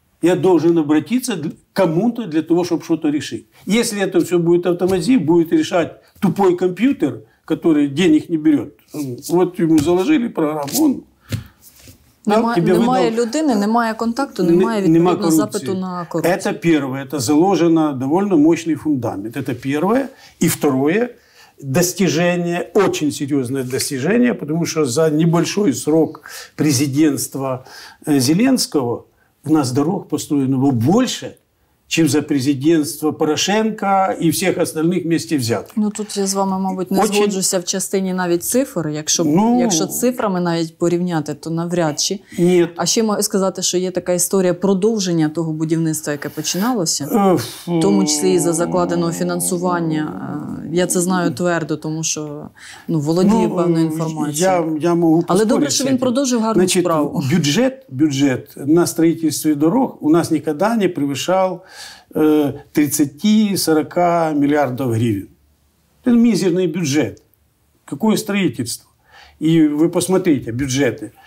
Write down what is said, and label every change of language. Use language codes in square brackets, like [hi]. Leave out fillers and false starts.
[ru] Я должен обратиться к кому-то для того, чтобы что-то решить. Если это все будет автоматизировано, будет решать тупой компьютер, который денег не берет. Вот ему заложили программу, он... [uk] Немає людини, немає контакту, немає відповідно запиту на корупцію. [ru] Это первое, это заложено довольно мощный фундамент. Это первое. И второе, достижение, очень серьезное достижение, потому что за небольшой срок президентства Зеленского у нас дорог построено было больше, чем за президентство Порошенко и всех остальных вместе взятых. Ну, тут я с вами, мабуть, не очень... [uk] сгоджуся в частині навіть цифр. Якщо, ну... якщо цифрами навіть порівняти, то навряд чи. [ru] Нет. [uk] А ще можу сказати, що є така історія продовження того будівництва, яке починалося, в тому числі і за закладеного фінансування. Я це знаю твердо, тому що ну, володію певною інформацією. Я можу поспорити. Але добре, що він продовжив гарну значить, справу. [ru] Бюджет на строительство дорог у нас ніколи не превышав 30-40 миллиардов гривен. Это мизерный бюджет. Какое строительство? И вы посмотрите, бюджеты.